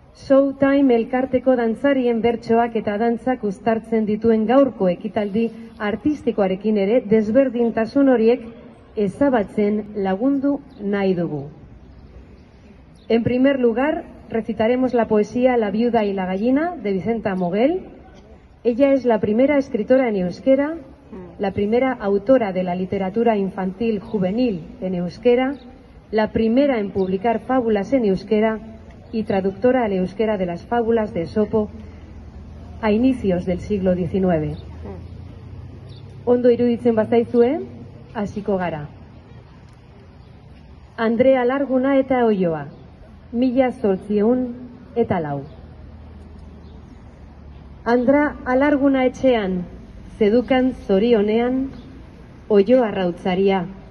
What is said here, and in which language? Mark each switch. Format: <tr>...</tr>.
<eu>Showtime elkarteko dantzarien bertsoak eta dantzak uztartzen dituen gaurko ekitaldi artistikoarekin ere desberdintasun horiek ezabatzen lagundu nahi dugu.</eu> <es>En primer lugar, recitaremos la poesía La viuda y la gallina de Vicenta Moguel. Ella es la primera escritora en euskera, la primera autora de la literatura infantil juvenil en euskera, la primera en publicar fábulas en euskera y traductora al euskera de las fábulas de Esopo a inicios del siglo XIX.</es> <eu>Ondo iruditzen bazaizue, hasiko gara. Andrea Larguna eta Oioa, 1804. Andra Alarguna etxean, zedukan zorionean, Oioa rautzaria.</eu>